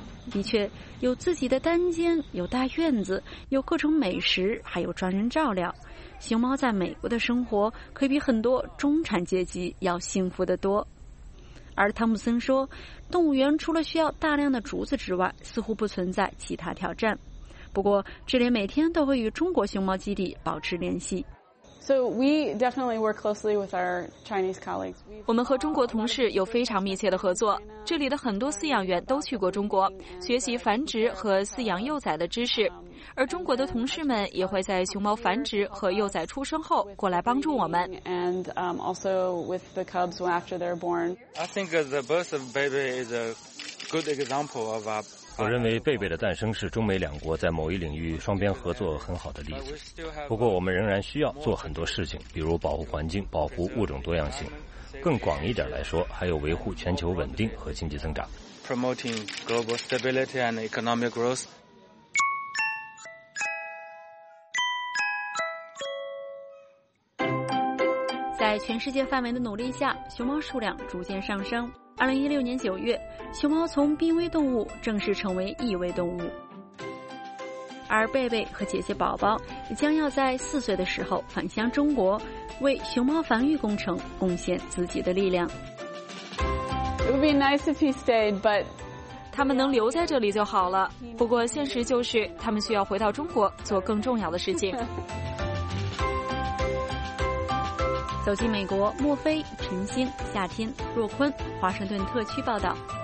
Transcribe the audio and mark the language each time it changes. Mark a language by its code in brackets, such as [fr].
[zh] 的确有自己的单间，有大院子，有各种美食，还有专人照料，熊猫在美国的生活可比很多中产阶级要幸福得多。而汤姆森说，动物园除了需要大量的竹子之外，似乎不存在其他挑战。不过这里每天都会与中国熊猫基地保持联系。 [en] So we definitely work closely with our Chinese colleagues. [zh] 我们和中国同事有非常密切的合作。这里的很多饲养员都去过中国，学习繁殖和饲养幼崽的知识，而中国的同事们也会在熊猫繁殖和幼崽出生后过来帮助我们。 [en] And also with the cubs after they're born. I think the birth of baby is a good example of a. [zh] 我认为贝贝的诞生是中美两国在某一领域双边合作很好的例子。不过我们仍然需要做很多事情，比如保护环境、保护物种多样性，更广一点来说，还有维护全球稳定和经济增长。 [en] Promoting global stability and economic growth。 [zh] 在全世界范围的努力下，熊猫数量逐渐上升。 2016年9月，熊猫从濒危动物正式成为易危动物，而贝贝和姐姐宝宝也将要在4岁的时候返乡中国，为熊猫繁育工程贡献自己的力量。 [en] It would be nice if he stayed, but [zh] 他他们能留在这里就好了。不过现实就是，他们需要回到中国做更重要的事情。走进美国，莫非、陈欣、夏天、若坤，华盛顿特区报道。